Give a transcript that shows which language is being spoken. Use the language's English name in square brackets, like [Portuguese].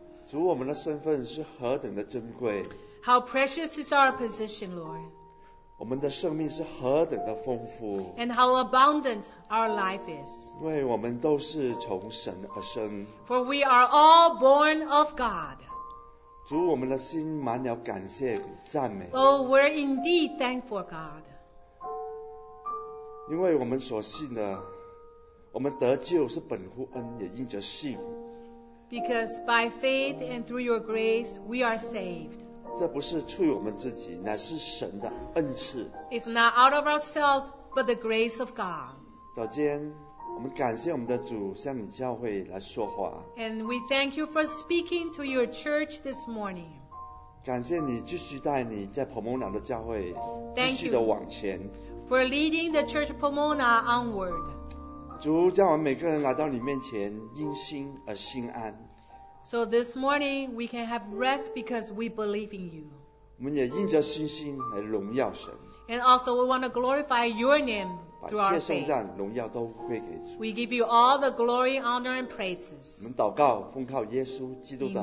[Chinese] 主，我们的身份是何等的珍贵。 [English] How precious is our position, Lord. [Chinese] 我们的生命是何等的丰富。 [English] And how abundant our life is. [Chinese] 因为我们都是从神而生。 [English] For we are all born of God. [Chinese] 主，我们的心满了感谢与赞美。 [English] Oh, we're indeed thankful, God. [Chinese] 因为我们所信的，我们得救是本乎恩，也因着信。 [English] Because by faith and through your grace, we are saved. [Chinese] 这不是出于我们自己，乃是神的恩赐。 [English] It's not out of ourselves, but the grace of God. [Chinese] 早间，我们感谢我们的主向你教会来说话。 [English] And we thank you for speaking to your church this morning. [Chinese] 感谢你继续带你在 Pomona 的教会继续的往前。 [English] Thank you for leading the church Pomona onward. [Chinese] 主，叫我们每个人来到你面前因心而心安。 [English] So this morning we can have rest because we believe in you. [Chinese] 我们也因着信心来荣耀神。 [English] And also we want to glorify your name. [Chinese] 把一切颂赞荣耀都归给主。 [English] We give you all the glory, honor, and praises. [Chinese] 我们祷告，奉靠耶稣基督的名。